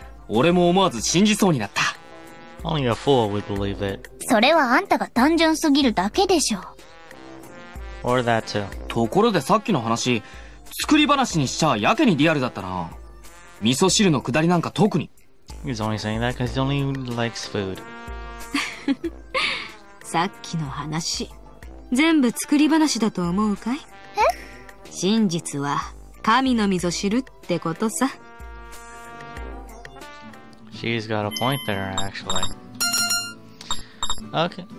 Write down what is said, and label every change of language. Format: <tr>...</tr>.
<ja>俺も思わず信じそうになった。</ja> <en>Only a fool would believe it.</en> <ja>それはあんたが単純すぎるだけでしょ。</ja> <en>Or that too.</en> <ja>ところでさっきの話、作り話にしちゃやけにリアルだったな。味噌汁のくだりなんか特に。</ja> <en>He's only saying that because he only likes food.</en> <ja>さっきの話全部作り話だと思うかい？え？真実は神の溝知るってことさ。</ja> <en>She's got a point there, actually. Okay.</en>